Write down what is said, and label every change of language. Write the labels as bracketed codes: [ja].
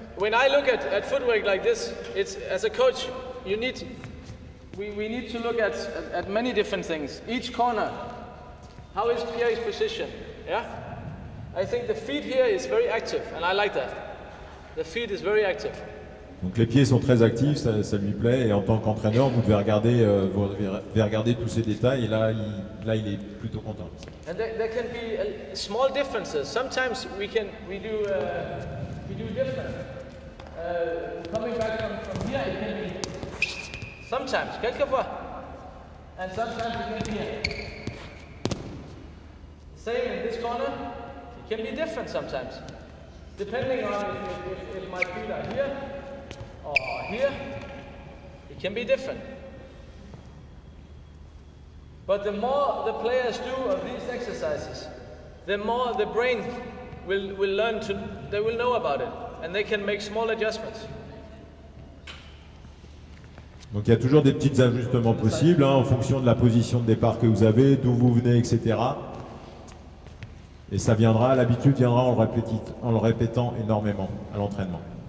[en] At footwork like this, it's as a coach, you need. We need to look at many different things. Each corner, how is Pierre's position? Yeah, I think the feet here is very active, and I like that. The feet is very active. [fr] Donc les pieds sont très actifs, ça lui plaît. Et en tant qu'entraîneur, vous devez regarder, regarder tous ces détails. Et là il est plutôt content. [en] And there can be small differences. Sometimes we do different. Coming back from here, it can be sometimes, [fr] quelquefois, [en] and sometimes it can be here. Same in this corner, it can be different sometimes, depending on if my feet are here or here, it can be different. But the more the players do of these exercises, the more the brain will learn to, they will know about it. And they can make small adjustments. [fr] Donc il y a toujours des petits ajustements possibles hein, en fonction de la position de départ que vous avez, d'où vous venez, etc. Et ça viendra, l'habitude viendra en le répétant énormément à l'entraînement.